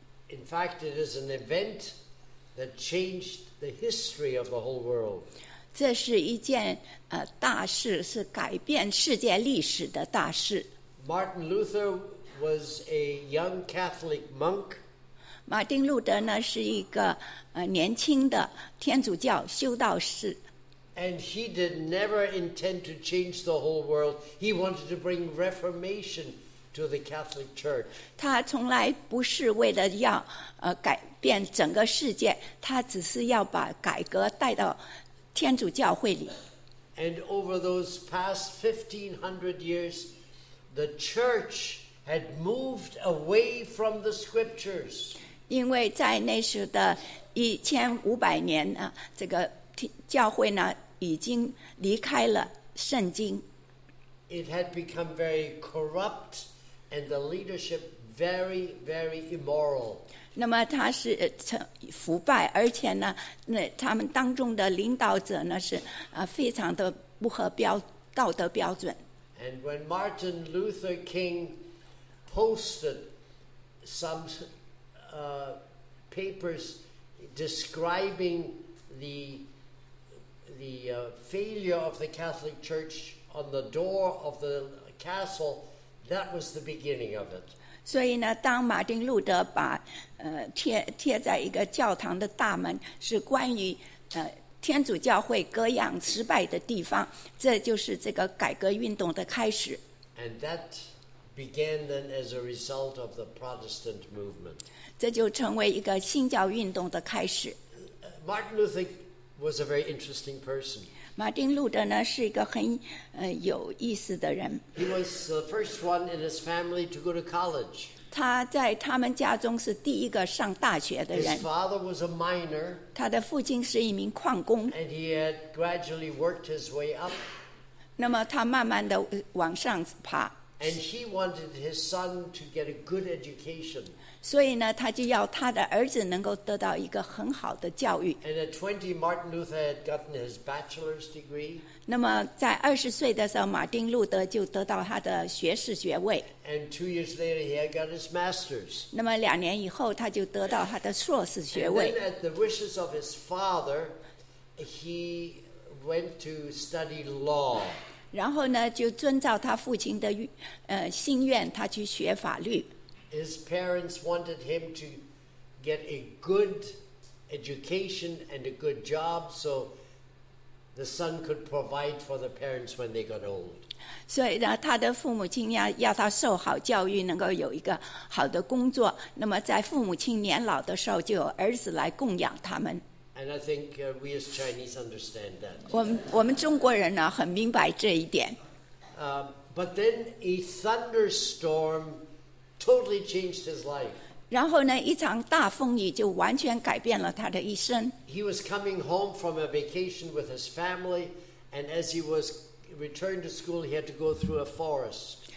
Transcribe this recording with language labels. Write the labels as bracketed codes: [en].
[en] In fact, it is an event that changed the history of the whole world. [zh] 这是一件大事，是改变世界历史的大事。 [en] Martin Luther was a young Catholic monk. [zh] 马丁路德呢是一个年轻的天主教修道士。 [en] And he did never intend to change the whole world. He wanted to bring reformation to the Catholic Church. [zh] 他从来不是为了要改变整个世界，他只是要把改革带到天主教会里。 [en] And over those past 1500 years, the church had moved away from the scriptures. [zh] 因为在那时的一千五百年呢，这个教会呢已经离开了圣经。 [en] It had become very corrupt, and the leadership very, very immoral. [zh] 那么它是腐败，而且呢，那他们当中的领导者呢是非常的不合道德标准。 [en] And when Martin Luther King posted some papers describing the failure of the Catholic Church on the door of the castle, that was the beginning of it. [zh] 所以呢，当马丁路德把贴在一个教堂的大门，是关于天主教会割让失败的地方，这就是这个改革运动的开始。 [en] And that began then as a result of the Protestant movement. [zh] 这就成为一个新教运动的开始。 [en] Martin Luther was a very interesting person. [zh] 马丁路德呢是一个很有意思的人。 [en] He was the first one in his family to go to college. [zh] 他在他们家中是第一个上大学的人。 [en] His father was a miner. [zh] 他的父亲是一名矿工。 [en] And he had gradually worked his way up. [zh] 那么他慢慢的往上爬。 [en] And he wanted his son to get a good education. [zh] 所以呢，他就要他的儿子能够得到一个很好的教育。 [en] And at 20, Martin Luther had gotten his bachelor's degree. [zh] 那么在二十岁的时候，马丁路德就得到他的学士学位。 [en] And 2 years later, he had got his master's. [zh] 那么两年以后，他就得到他的硕士学位。 [en] And then at the wishes of his father, he went to study law. [zh] 然后呢，就遵照他父亲的心愿，他去学法律。 [en] His parents wanted him to get a good education and a good job so the son could provide for the parents when they got old. [zh] 所以呢，他的父母亲要他受好教育，能够有一个好的工作，那么在父母亲年老的时候，就有儿子来供养他们。 [en] And I think we as Chinese understand that. [zh] 我们中国人呢，很明白这一点。 [en] But then a thunderstorm totally changed his life. [zh] 然后呢，一场大风雨就完全改变了他的一生。 [en] He was coming home from a vacation with his family, and as he was returning to school, he had to go through a forest.